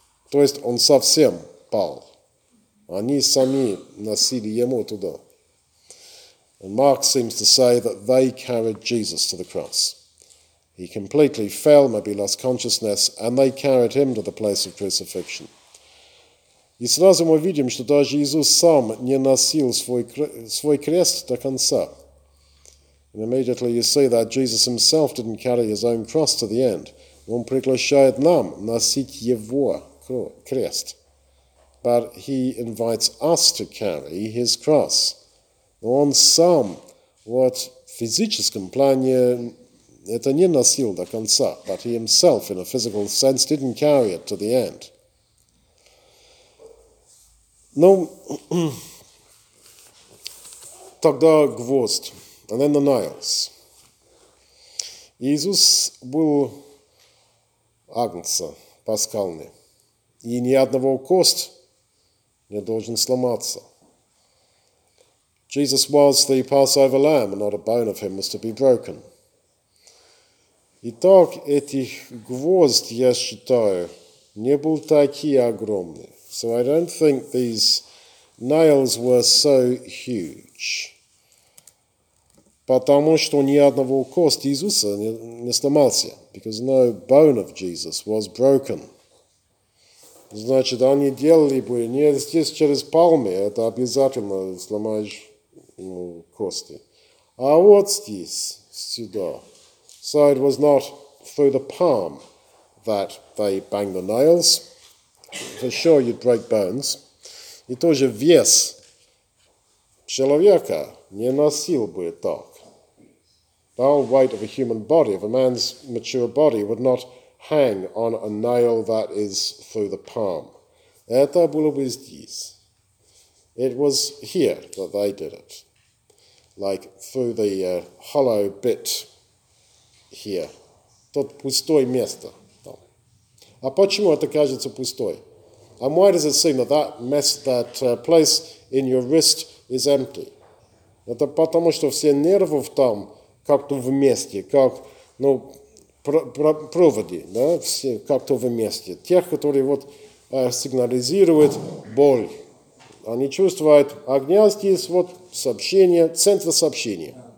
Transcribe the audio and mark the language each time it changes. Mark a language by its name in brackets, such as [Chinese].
[Russian] То есть он совсем пал. Они сами носили ему туда. [English] And Mark seems to say that they carried Jesus to the cross. He completely fell, maybe lost consciousness, and they carried him to the place of crucifixion. [Russian] И сразу мы видим, что даже Иисус сам не носил свой крест до конца. [English] And immediately you see that Jesus himself didn't carry his own cross to the end. [Russian] Он приглашает нам носить его крест. [English] But he invites us to carry his cross. [Russian] Он сам, вот в физическом плане, это не носил до конца, [English] but he himself, in a physical sense, didn't carry it to the end. [Russian] Ну, тогда гвоздь, [English] and then the nails. [Russian] Иисус был агнца пасхальный, и ни одного кост не должен сломаться. [English] Jesus was the Passover lamb, and not a bone of him was to be broken. [Russian] Итак, этих гвоздь, я считаю, не был такие огромные. [English] So I don't think these nails were so huge. [Russian] Потому что ни одного кости Иисуса не сломался. [English] Because no bone of Jesus was broken. [Russian] Значит, они делали бы не здесь через пальмы, это обязательно сломаешь, ну, кости. А вот здесь, сюда. [English] So it was not through the palm that they banged the nails. For sure you'd break bones. [Russian] И тоже вес человека не носил бы так. [English] The whole weight of a human body, of a man's mature body, would not hang on a nail that is through the palm. [Russian] Это было бы здесь. [English] It was here that they did it. Like through the hollow bit here. [Russian] Тут пустое место. Там. А почему это кажется пустой? And why does it seem that place in your wrist is empty? Это потому, что все нервы там как-то вместе, как, ну, проводи, да, все как-то вместе. Те, которые вот сигнализируют боль. Они чувствуют огня здесь, вот сообщение, центр сообщения.